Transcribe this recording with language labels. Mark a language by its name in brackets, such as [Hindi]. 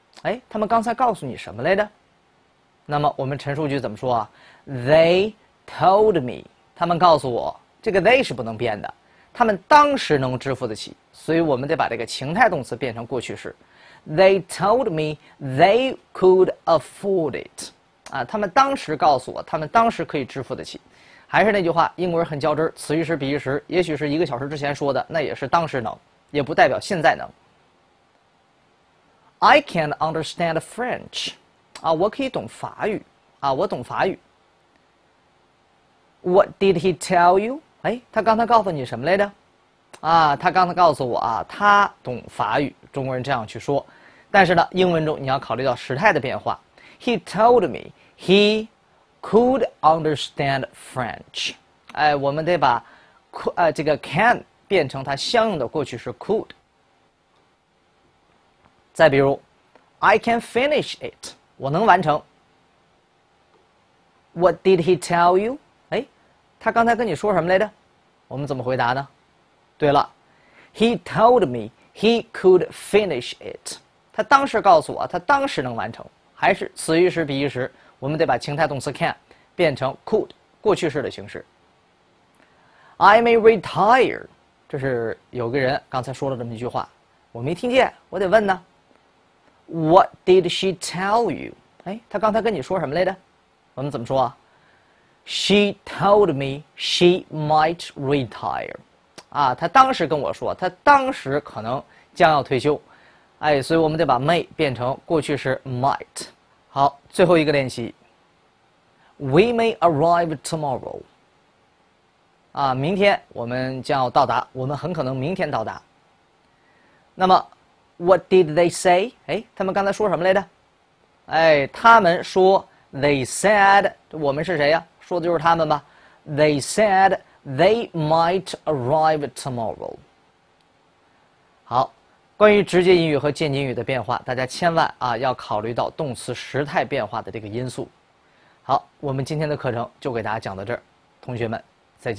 [Chinese] 哎，他们刚才告诉你什么来着？那么我们陈述句怎么说啊 ？ [English] They told me， [Chinese] 他们告诉我，这个 they 是不能变的，他们当时能支付得起，所以我们得把这个情态动词变成过去式。 [English] They told me they could afford it。 [Chinese] 啊，他们当时告诉我，他们当时可以支付得起。还是那句话，英国人很较真，此一时彼一时。也许是一个小时之前说的，那也是当时能，也不代表现在能。 [English] I can't understand French， [Chinese] 啊，我可以懂法语，啊，我懂法语。 [English] What did he tell you？ [Chinese] 哎，他刚才告诉你什么来着？啊，他刚才告诉我啊，他懂法语，中国人这样去说。但是呢，英文中你要考虑到时态的变化。 [English] He told me he could understand French。 [Chinese] 哎，我们得把这个 can 变成它相应的过去式 could。再比如 [English] I can finish it， [Chinese] 我能完成。 [English] What did he tell you？ [Chinese] 哎，他刚才跟你说什么来着？我们怎么回答呢？对了， [English] He told me he could finish it。 [Chinese] 他当时告诉我他当时能完成。还是此一时彼一时，我们得把情态动词 can 变成 could。过去式的形式。 [English] I may retire， [Chinese] 这是有个人刚才说了这么一句话，我没听见，我得问呢。 [English] What did she tell you？ [Chinese] 哎，她刚才跟你说什么来着？我们怎么说 [English] ？She told me she might retire。 [Chinese] 啊，她当时跟我说，她当时可能将要退休。哎，所以我们得把 may 变成过去式 might。好，最后一个练习。 [English] We may arrive tomorrow。 [Chinese] 啊，明天我们将要到达，我们很可能明天到达。那么 [English] ，What did they say？ [Chinese] 哎，他们刚才说什么来着？哎，他们说 ， [English] They said， [Chinese] 我们是谁呀？说的就是他们吧。 [English] They said they might arrive tomorrow。 [Chinese] 好，关于直接引语和渐进语的变化，大家千万啊要考虑到动词时态变化的这个因素。好，我们今天的课程就给大家讲到这儿，同学们再见。